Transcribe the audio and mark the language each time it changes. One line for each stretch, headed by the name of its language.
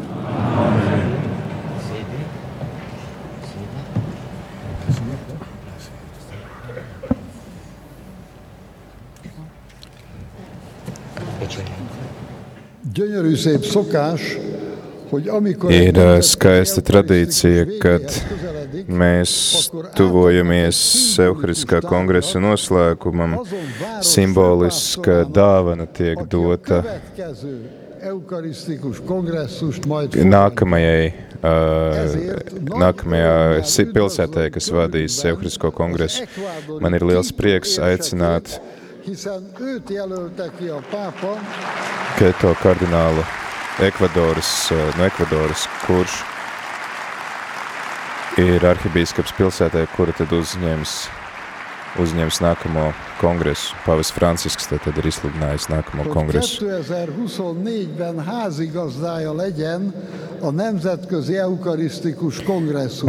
Hungarian: Amen. Gyönyörű szép szokás, hogy amikor
Latvian: ir skaista tradīcija, kad mēs tuvojamies Eukaristiskā kongresa noslēgumam, simboliska dāvana tiek dota nākamajā pilsētē, kas vadīs Eukaristisko kongresu. Man ir liels prieks aicināt Keto kardinālu no Ekvadoras, kurš ir arhibīskaps pilsētē, kura tad uzņems nākamo kongresu. Pavests Francisks tad ir izsludinājis nākamo kongresu.
Hungarian: 2024-ben házigazdája legyen a Nemzetközi Eukarisztikus Kongresszus.